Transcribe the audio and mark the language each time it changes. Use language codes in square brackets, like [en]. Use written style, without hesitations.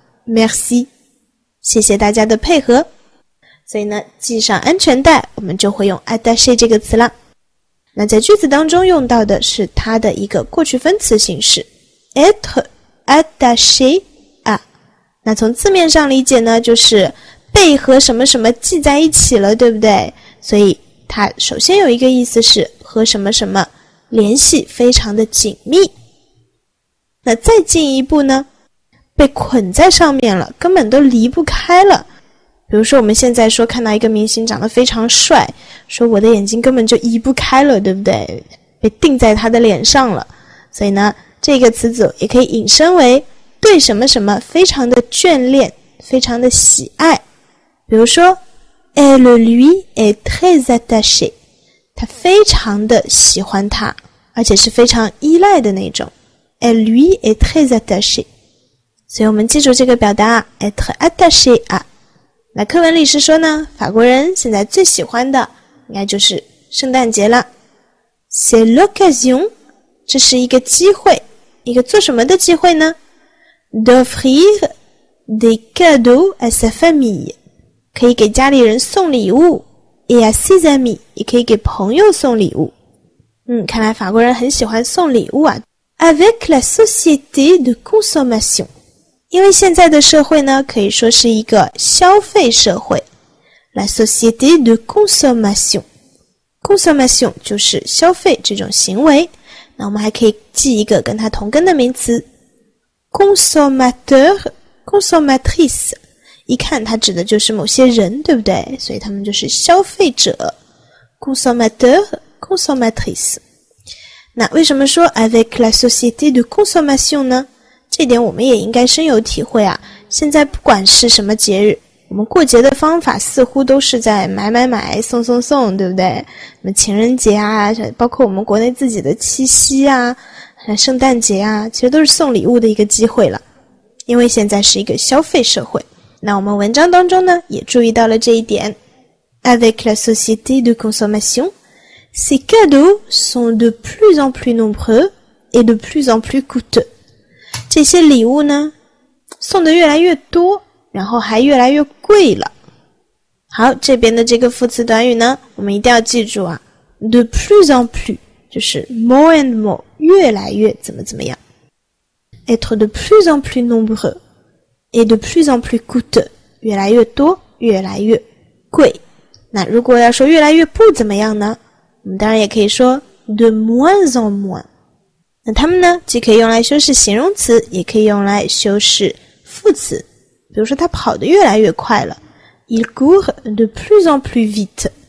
[fr] Merci， [zh] 谢谢大家的配合。所以呢，系上安全带，我们就会用 attaché 这个词了。那在句子当中用到的是它的一个过去分词形式 être attaché à。那从字面上理解呢，就是被和什么什么系在一起了，对不对？所以它首先有一个意思是和什么什么联系非常的紧密。那再进一步呢，被捆在上面了，根本都离不开了。比如说我们现在说看到一个明星长得非常帅，说我的眼睛根本就移不开了，对不对？被定在他的脸上了。所以呢这个词组也可以引申为对什么什么非常的眷恋，非常的喜爱。比如说 [fr] Elle lui est très attaché， [zh] 他非常的喜欢他，而且是非常依赖的那种。 [fr] Elle lui est très attaché。 [zh] 所以我们记住这个表达 être attaché à。那课文里是说呢，法国人现在最喜欢的应该就是圣诞节了。 [fr] C'est l'occasion， [zh] 这是一个机会，一个做什么的机会呢？ [fr] D'offrir des cadeaux à sa famille， [zh] 可以给家里人送礼物。 [fr] Et à ses amis， [zh] 也可以给朋友送礼物。看来法国人很喜欢送礼物啊。 [fr] Avec la société de consommation， [zh] 因为现在的社会呢可以说是一个消费社会。 [fr] La société de consommation， [zh] consommation 就是消费这种行为。那我们还可以记一个跟它同根的名词 consommateur， consommatrice， 一看它指的就是某些人，对不对？所以他们就是消费者， consommateur， consommatrice。那为什么说 [fr] avec la société de consommation [zh] 呢？这点我们也应该深有体会啊，现在不管是什么节日，我们过节的方法似乎都是在买买买、送送送，对不对？什么情人节啊，包括我们国内自己的七夕啊、圣诞节啊，其实都是送礼物的一个机会了。因为现在是一个消费社会，那我们文章当中呢，也注意到了这一点。 [fr] Avec la société de consommation, ces cadeaux sont de plus en plus nombreux et de plus en plus coûteux. [zh] 这些礼物呢，送得越来越多，然后还越来越贵了。好，这边的这个副词短语呢，我们一定要记住啊。 [fr] De plus en plus, 就是 [en] more and more, [zh] 越来越怎么怎么样。 [fr] Être de plus en plus nombreux et de plus en plus coûteux, [zh] 越来越多，越来越贵。那如果要说越来越不怎么样呢，我们当然也可以说 [fr] de moins en moins。 [zh] 那它们呢，既可以用来修饰形容词，也可以用来修饰副词。比如说它跑得越来越快了， [fr] il court de plus en plus vite。